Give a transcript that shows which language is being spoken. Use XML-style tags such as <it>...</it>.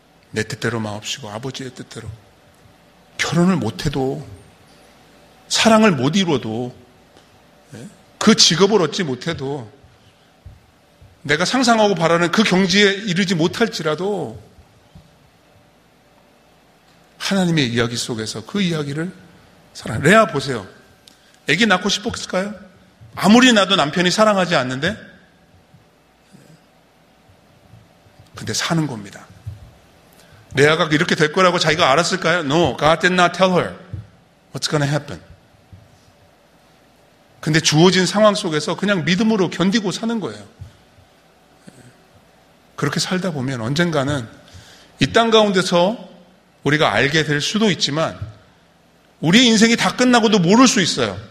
<ko>내 뜻대로 마옵시고 아버지의 뜻대로 결혼을 못해도 사랑을 못 이루어도 그 직업을 얻지 못해도 내가 상상하고 바라는 그 경지에 이르지 못할지라도 하나님의 이야기 속에서 그 이야기를 사랑해. 레아 보세요. 아기 낳고 싶었을까요? 아무리 나도 남편이 사랑하지 않는데 근데 사는 겁니다. 레아가 이렇게 될 거라고 자기가 알았을까요?</ko> <en>No, God did not tell her what's going to happen.</en> <ko>근데 주어진 상황 속에서 그냥 믿음으로 견디고 사는 거예요. 그렇게 살다 보면 언젠가는 이 땅 가운데서 우리가 알게 될 수도 있지만 우리 인생이 다 끝나고도 모를 수 있어요.</ko>